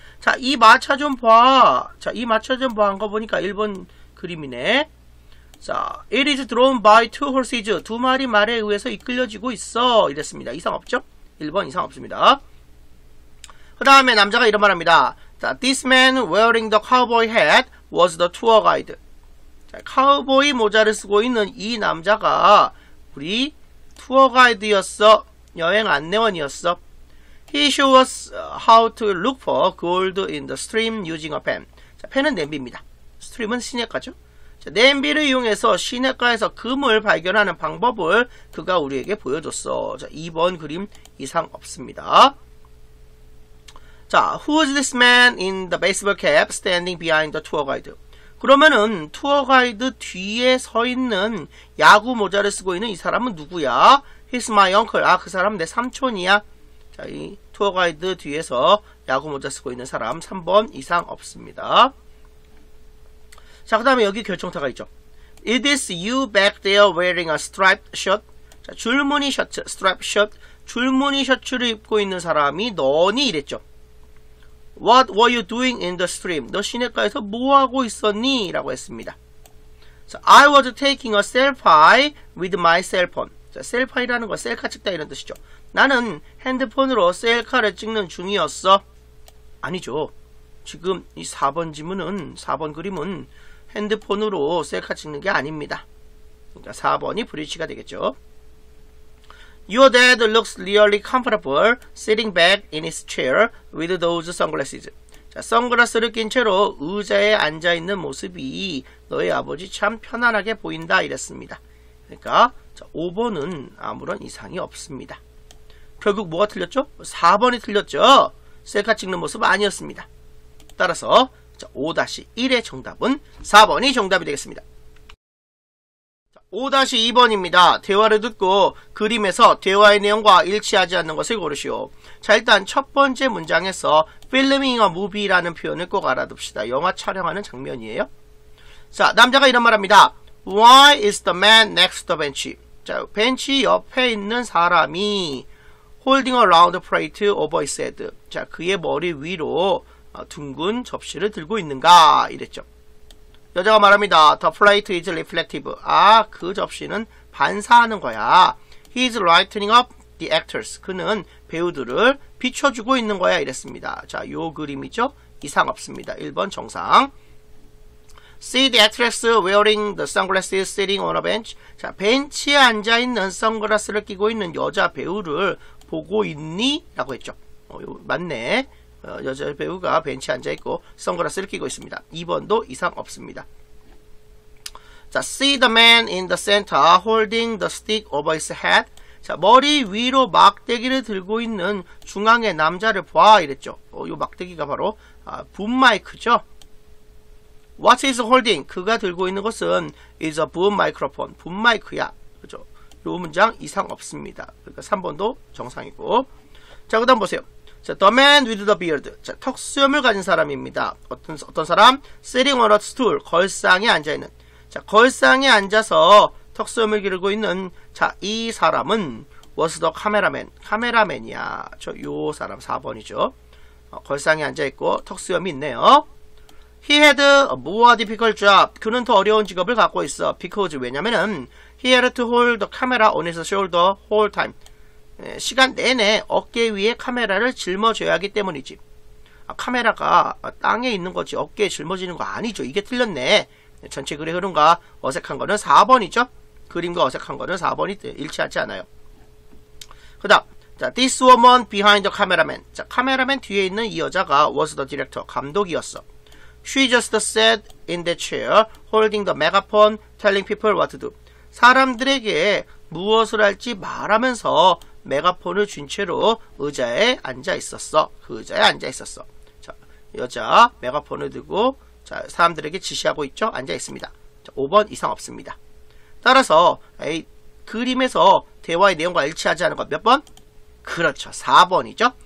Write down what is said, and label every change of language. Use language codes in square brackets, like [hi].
[ko] 자, 이 마차 좀 봐. 자, 이 마차 좀 봐. 한 거 보니까 일본 그림이네. [en] 자, it is drawn by two horses. [ko] 두 마리 말에 의해서 이끌려지고 있어. 이랬습니다. 이상 없죠? 1번 이상 없습니다. 그 다음에 남자가 이런 말합니다. [en] 자, this man wearing the cowboy hat was the tour guide. [ko] 자, 카우보이 모자를 쓰고 있는 이 남자가 우리 투어 가이드였어. 여행 안내원이었어. [en] He show us how to look for gold in the stream using a pen. [ko] 자, 펜은 냄비입니다. 스트림은 시냇가죠. 자, 냄비를 이용해서 시냇가에서 금을 발견하는 방법을 그가 우리에게 보여줬어. 자, 2번 그림 이상 없습니다. [en] 자, who is this man in the baseball cap standing behind the tour guide? [ko] 그러면은 투어 가이드 뒤에 서 있는 야구 모자를 쓰고 있는 이 사람은 누구야? [en] He's my uncle. [ko] 아, 그 사람 내 삼촌이야. 자, 이 투어 가이드 뒤에서 야구 모자 쓰고 있는 사람 3번 이상 없습니다. 자, 그 다음에 여기 결정타가 있죠. [en] It is you back there wearing a striped shirt. [ko] 자, 줄무늬 셔츠, striped shirt. 줄무늬 셔츠를 입고 있는 사람이 너니 이랬죠. [en] What were you doing in the stream? [ko] 너 시냇가에서 뭐하고 있었니? 라고 했습니다. [en] So, I was taking a selfie with my cell phone. [ko] 자, 셀파이라는 거 셀카 찍다 이런 뜻이죠. 나는 핸드폰으로 셀카를 찍는 중이었어. 아니죠. 지금 이 4번 지문은 4번 그림은 핸드폰으로 셀카 찍는 게 아닙니다. 그러니까 4번이 브릿지가 되겠죠. [en] Your dad looks really comfortable sitting back in his chair with those sunglasses. [ko] 자, 선글라스를 낀 채로 의자에 앉아 있는 모습이 너의 아버지 참 편안하게 보인다 이랬습니다. 그러니까 자, 5번은 아무런 이상이 없습니다. 결국 뭐가 틀렸죠? 4번이 틀렸죠? 셀카 찍는 모습 아니었습니다. 따라서 자, 5-1의 정답은 4번이 정답이 되겠습니다. 자, 5-2번입니다. 대화를 듣고 그림에서 대화의 내용과 일치하지 않는 것을 고르시오. 자, 일단 첫 번째 문장에서 [en] filming a movie [ko] 라는 표현을 꼭 알아둡시다. 영화 촬영하는 장면이에요. 자, 남자가 이런 말합니다. [en] Why is the man next to the bench? [ko] 자, 벤치 옆에 있는 사람이 [en] holding a round plate over his head. [ko] 자, 그의 머리 위로 둥근 접시를 들고 있는가? 이랬죠. 여자가 말합니다. [en] The plate is reflective. [ko] 아, 그 접시는 반사하는 거야. [en] He is lighting up the actors. [ko] 그는 배우들을 비춰주고 있는 거야. 이랬습니다. 자, 요 그림이죠? 이상 없습니다. 1번 정상. [en] See the actress wearing the sunglasses sitting on a bench. [ko] 자, 벤치에 앉아있는 선글라스를 끼고 있는 여자 배우를 보고 있니? 라고 했죠. 맞네. 여자 배우가 벤치에 앉아있고 선글라스를 끼고 있습니다. 2번도 이상 없습니다. [en] 자, see the man in the center holding the stick over his head. [ko] 자, 머리 위로 막대기를 들고 있는 중앙의 남자를 봐. 이랬죠. 이 막대기가 바로 붐 마이크죠. [en] What is holding? [ko] 그가 들고 있는 것은 [en] is a boom microphone. [ko] 붐 마이크야. 그죠? 요 문장 이상 없습니다. 그러니까 3번도 정상이고. 자, 그 다음 보세요. 자, [en] the man with the beard. [ko] 자, 턱수염을 가진 사람입니다. 어떤 사람? [en] sitting on a stool. [ko] 걸상에 앉아있는. 자, 걸상에 앉아서 턱수염을 기르고 있는 자, 이 사람은 [en] was the cameraman. [ko] 카메라맨이야. 저 요 사람 4번이죠. 걸상에 앉아있고 턱수염이 있네요. [en] He had a more difficult job. [ko] 그는 더 어려운 직업을 갖고 있어. [en] Because, [ko] 왜냐면은, [en] he had to hold the camera on his shoulder whole time. [ko] 시간 내내 어깨 위에 카메라를 짊어져야 하기 때문이지. 아, 카메라가 땅에 있는 거지. 어깨에 짊어지는 거 아니죠. 이게 틀렸네. 전체 글의 흐름과 어색한 거는 4번이죠. 그림과 어색한 거는 4번이 일치하지 않아요. 그 다음, 자, [en] This woman behind the cameraman. [ko] 자, 카메라맨 뒤에 있는 이 여자가 [en] was the director, [ko] 감독이었어. [en] She just sat in the chair, holding the megaphone, telling people what to do. [ko] 사람들에게 무엇을 할지 말하면서 메가폰을 쥔 채로 의자에 앉아 있었어. 그 의자에 앉아 있었어. 자, 여자 메가폰을 들고 자, 사람들에게 지시하고 있죠. 앉아 있습니다. 자, 5번 이상 없습니다. 따라서 에이, 그림에서 대화의 내용과 일치하지 않은 것 몇 번? 그렇죠. 4번이죠.